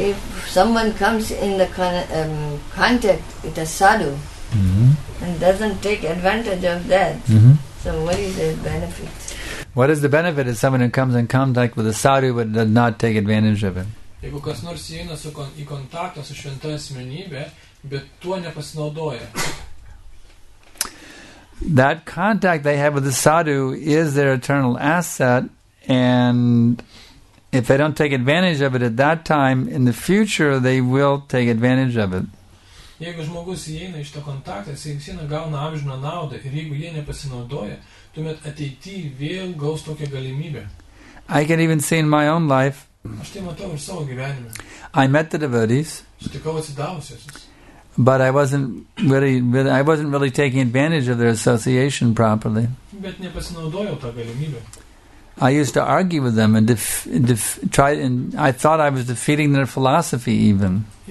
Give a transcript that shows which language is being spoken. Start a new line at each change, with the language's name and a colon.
English: If someone comes in the contact with a sadhu and doesn't take advantage of that, so what is the benefit? What is the benefit of someone who comes in contact with a sadhu but does not take advantage of him?
Lithuanian: Jeigu kas nors įeina į kontaktą su šventa asmenybe, bet tuo nepasinaudoja.
English: That contact they have with the sadhu is their eternal asset, and if they don't take advantage of it at that time, in the future they will take advantage of it.
Lithuanian: Jeigu žmogus įeina iš to kontakto, jisai gauna amžiną naudą, ir jeigu jie nepasinaudoja, tuomet ateityje vėl gaus tokią galimybę.
English: I can even see in my own life.
Lithuanian: Aš tai matau ir savo gyvenime.
English: I met the devotees.
Lithuanian: Sutikau atsidavusius.
English: But I wasn't really taking advantage of their association properly.
Lithuanian: Bet nepasinaudojau tą galimybę.
English: I used to argue with them and try, and I thought I was defeating their philosophy even.